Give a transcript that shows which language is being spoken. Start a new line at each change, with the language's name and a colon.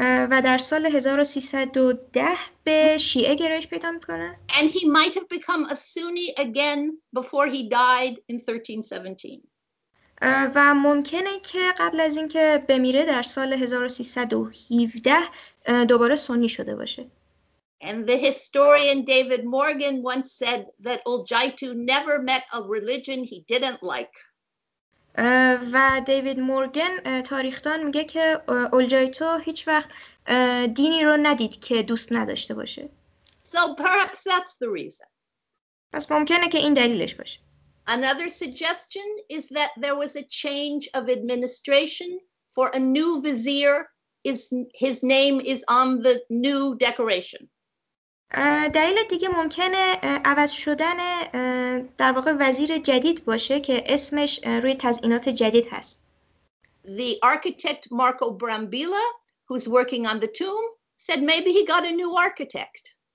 Persian: و در سال 1310 به شیعه گرایش پیدا میکنه.
English: And he might have become a Sunni again before he died in 1317.
Persian: و ممکنه که قبل از اینکه بمیره در سال 1317 دوباره سنی شده باشه.
English: And the historian David Morgan once said that Uljaitu never met a religion he didn't like.
Persian: و دیوید مورگن تاریخدان میگه که اولجایتو هیچ وقت دینی رو ندید که دوست نداشته باشه.
English: So perhaps that's the reason.
Persian: پس ممکنه که این دلیلش باشه.
English: Another suggestion is that there was a change of administration for a new vizier. His name is on the new decoration.
Persian: دلیل دیگه ممکنه عوض شدن در واقع وزیر جدید باشه که اسمش روی تزیینات جدید هست.
English: The architect Marco Brambilla, who's working on the tomb, said maybe he got a new architect.